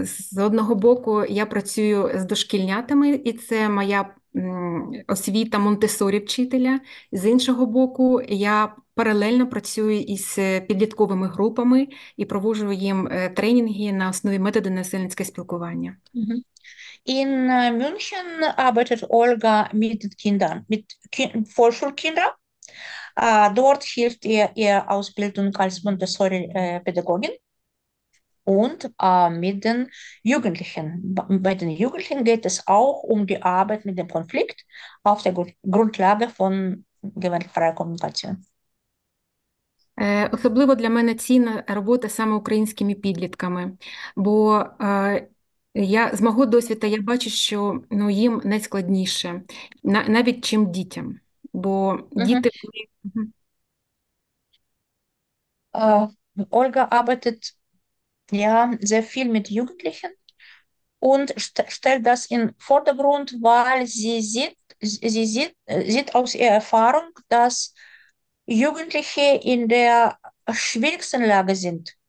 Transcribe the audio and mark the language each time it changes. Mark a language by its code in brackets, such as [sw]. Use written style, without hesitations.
[uk] З одного боку, я працюю з дошкільнятами, і це моя освіта Монтесорі-вчителя. З іншого боку, я паралельно працюю із підлітковими групами і проводжу їм тренінги на основі методи насильницького спілкування. [de] In München arbeitet Olga mit Kindern, mit Vorschulkindern. Dort hilft ihr ihre Ausbildung als Montessori-Pädagogin und mit den Jugendlichen. Bei den Jugendlichen geht es auch um die Arbeit mit dem Konflikt auf der Grundlage von gewaltfreier Kommunikation. [uk] Особливо для мене цінна робота саме українськими підлітками, бо я з мого досвіду я бачу, що ну, їм найскладніше, навіть чим дітям. Бо діти. [de] Olga arbeitet ja sehr viel mit Jugendlichen und stellt das in Vordergrund, weil sie sieht aus ihrer Erfahrung, dass Jugendliche in der schwierigsten Lage sind.